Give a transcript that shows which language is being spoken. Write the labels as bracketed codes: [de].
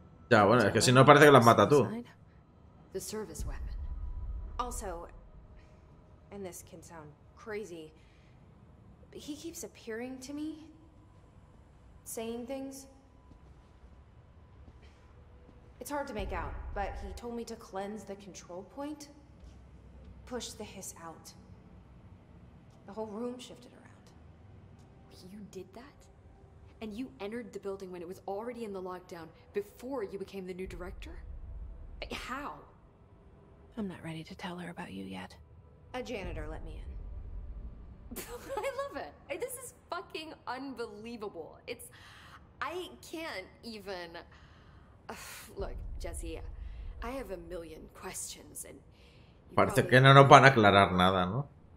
[es] Ya, bueno, es que si no parece que las mata tú. [en] The service weapon. Also, and this can sound crazy, but he keeps appearing to me, saying things. It's hard to make out, but he told me to cleanse the control point. Push the hiss out. The whole room shifted around. You did that? And you entered the building when it was already in the lockdown before you became the new director? How? I'm not ready to tell her about you yet. A janitor let me in. I love it. This is fucking unbelievable. It's... I can't even... Look, Jesse, I have a million questions and... [es] Parece que no nos van a aclarar nada, ¿no?